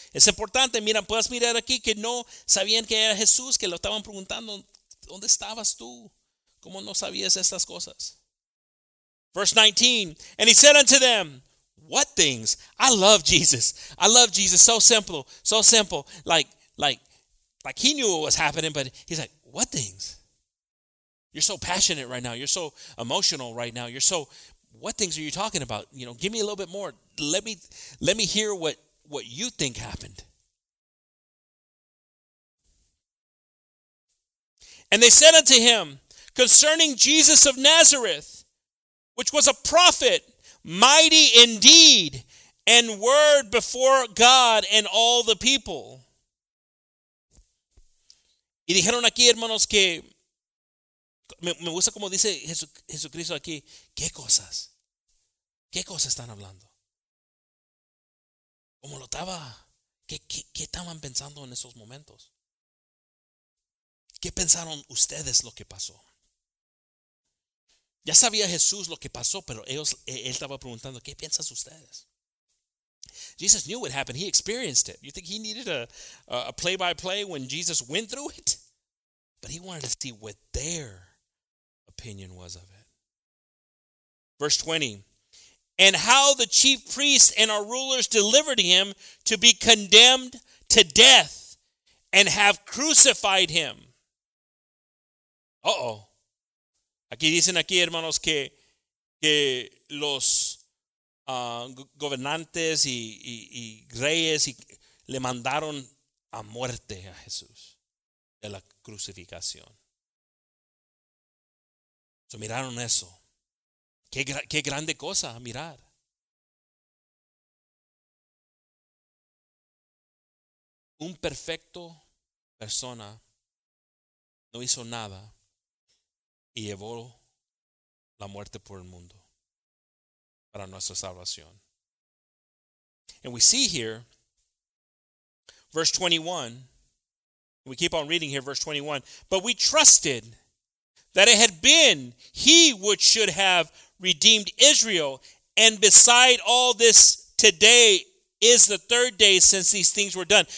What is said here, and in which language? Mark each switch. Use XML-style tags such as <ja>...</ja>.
<es>Es importante, mira, puedes mirar aquí que no sabían que era Jesús, que lo estaban preguntando, ¿dónde estabas tú? ¿Cómo no sabías estas cosas?</es> <en>Verse 19, and He said unto them, what things? I love Jesus. I love Jesus. So simple, so simple. Like He knew what was happening, but He's like, what things? You're so passionate right now. You're so emotional right now. You're so, what things are you talking about? You know, give me a little bit more. Let me hear what you think happened. And they said unto Him, concerning Jesus of Nazareth, which was a prophet, mighty indeed, and word before God and all the people.</en> <es>Y dijeron aquí, hermanos, que me gusta como dice Jesucristo aquí, ¿qué cosas están hablando? ¿Cómo lo estaba? ¿Qué estaban pensando en esos momentos? ¿Qué pensaron ustedes lo que pasó? Ya sabía Jesús lo que pasó, pero él estaba preguntando, ¿qué piensas ustedes?</es> <en>Jesus knew what happened. He experienced it. You think he needed a play-by-play when Jesus went through it? But he wanted to see what their opinion was of it. Verse 20. And how the chief priests and our rulers delivered Him to be condemned to death and have crucified him. Uh-oh.</en> <es>Aquí dicen aquí, hermanos, que los gobernantes y reyes y le mandaron a muerte a Jesús de la crucificación. So, miraron eso. Qué grande cosa a mirar. Un perfecto persona no hizo nada y llevó la muerte por el mundo para nuestra salvación.</es> <en>And we see here, verse 21, we keep on reading here, verse 21, but we trusted that it had been he which should have redeemed Israel, and beside all this today is the third day since these things were done.</en>